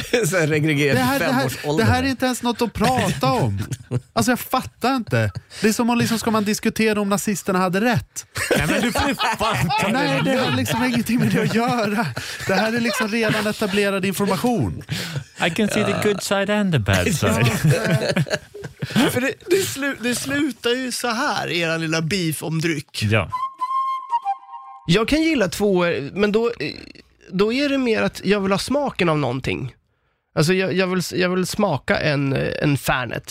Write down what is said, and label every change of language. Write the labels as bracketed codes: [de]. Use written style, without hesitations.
[sv] Så regregerad femårsåldern. Det här är inte ens något att prata om. Alltså jag fattar inte. Det är som om liksom ska man diskutera om nazisterna hade rätt. Nej men du flippar. Nej det har liksom ingenting med det att göra. Det här är liksom redan etablerad information. [en] I can see the good side and the bad side. [sv] För det slutar ju så här, era lilla beef om dryck. Ja. Jag kan gilla två, men då... Då är det mer att jag vill ha smaken av någonting. Alltså jag vill smaka en Fernet.